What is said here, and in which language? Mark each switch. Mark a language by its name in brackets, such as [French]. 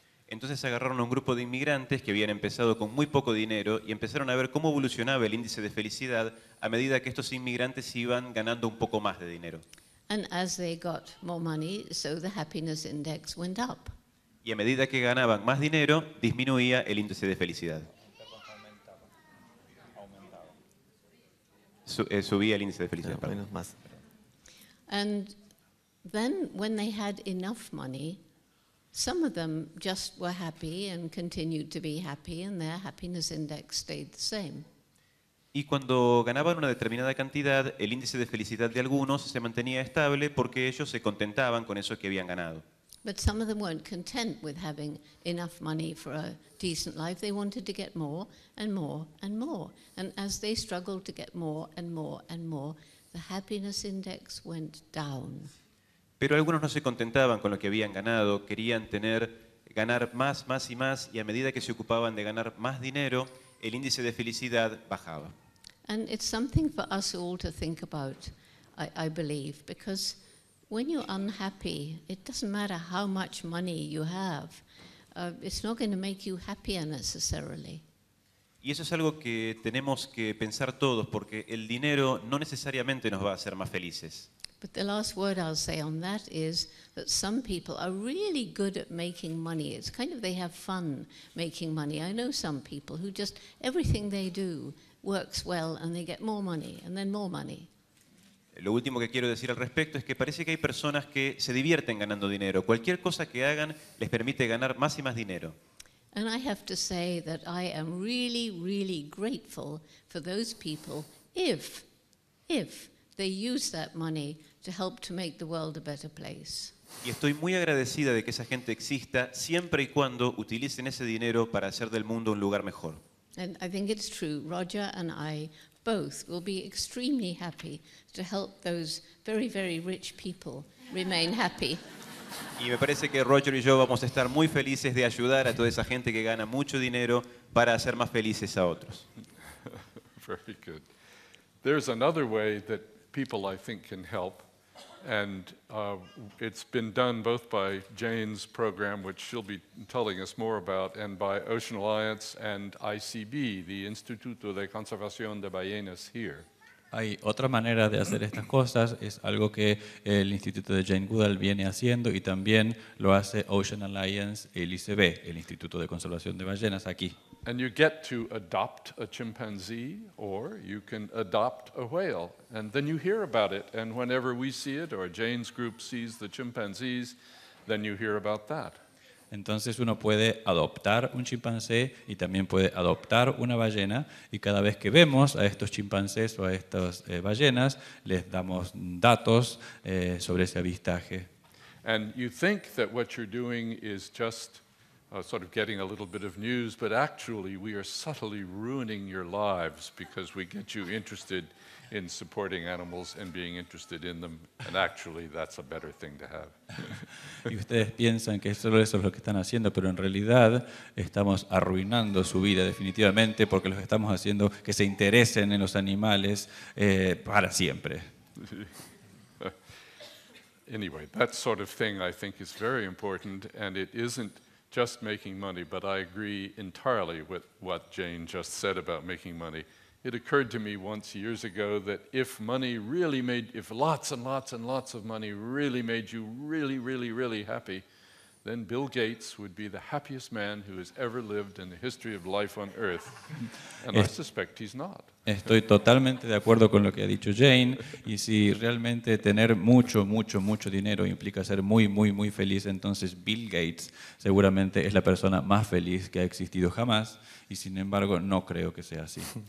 [Spanish] Entonces agarraron un grupo de inmigrantes que habían empezado con muy poco dinero y empezaron a ver cómo evolucionaba el índice de felicidad a medida que estos inmigrantes iban ganando un poco más de dinero. [English] And as they got more money, so the happiness index went up. [Spanish] Y a medida que ganaban más dinero, disminuía el índice de felicidad. Subía el índice de felicidad. No, menos más. [English] And then when they had enough money, some of them just were happy and continued to be happy, and their happiness index stayed the same. [Spanish] Y cuando ganaban una determinada cantidad, el índice de felicidad de algunos se mantenía estable porque ellos se contentaban con eso que habían ganado. [English] But some of them weren't content with having enough money for a decent life. They wanted to get more and more and more. And as they struggled to get more and more and more, the happiness index went down. [Spanish] Pero algunos no se contentaban con lo que habían ganado. Querían tener, ganar más, más y más. Y a medida que se ocupaban de ganar más dinero, el índice de felicidad bajaba. [English] And it's something for us all to think about, I believe, because when you're unhappy, it doesn't matter how much money you have, it's not going to make you happier necessarily. [Spanish] Y eso es algo que tenemos que pensar todos, porque el dinero no necesariamente nos va a hacer más felices. [English] But the last word I'll say on that is that some people are really good at making money. It's kind of they have fun making money. I know some people who just everything they do works well and they get more money and then more money. [Spanish] Lo último que quiero decir al respecto es que parece que hay personas que se divierten ganando dinero. Cualquier cosa que hagan les permite ganar más y más dinero. [English] And I have to say that I am really, really grateful for those people if they use that money to help to make the world a better place. [Spanish] Y estoy muy agradecida de que esa gente exista siempre y cuando utilicen ese dinero para hacer del mundo un lugar mejor. [English] And I think it's true. Roger and I both will be extremely happy to help those very, very rich people remain happy. [Spanish] Y me parece que Roger y yo vamos a estar muy felices de ayudar a toda esa gente que gana mucho dinero para hacer más felices a otros. [English] Very good. There's another way that people, I think, can help, and it's been done both by Jane's program, which she'll be telling us more about, and by Ocean Alliance and ICB, the Instituto de Conservación de Ballenas here. [Spanish] Hay otra manera de hacer estas cosas, es algo que el Instituto de Jane Goodall viene haciendo y también lo hace Ocean Alliance, el ICB, el Instituto de Conservación de Ballenas, aquí. [English] And you get to adopt a chimpanzee, or you can adopt a whale, and then you hear about it. And whenever we see it, or Jane's group sees the chimpanzees, then you hear about that. [Spanish] Entonces uno puede adoptar un chimpancé y también puede adoptar una ballena, y cada vez que vemos a estos chimpancés o a estas ballenas, les damos datos sobre ese avistaje. [English] And you think that what you're doing is just sort of getting a little bit of news, but actually we are subtly ruining your lives because we get you interested in supporting animals and being interested in them, and actually that's a better thing to have. [Spanish] Y ustedes piensan que solo eso es lo que están haciendo, pero en realidad estamos arruinando su vida definitivamente porque los estamos haciendo que se interesen en los animales para siempre. [English] Anyway, that sort of thing I think is very important, and it isn't just making money, but I agree entirely with what Jane just said about making money. It occurred to me once years ago that if money really made, if lots and lots and lots of money really made you really, really, really happy, then Bill Gates would be the happiest man who has ever lived in the history of life on Earth. And I suspect he's not. [Spanish] Estoy totalmente de acuerdo con lo que ha dicho Jane, y si realmente tener mucho, mucho, mucho dinero implica ser muy, muy, muy feliz, entonces Bill Gates seguramente es la persona más feliz que ha existido jamás, y sin embargo no creo que sea así.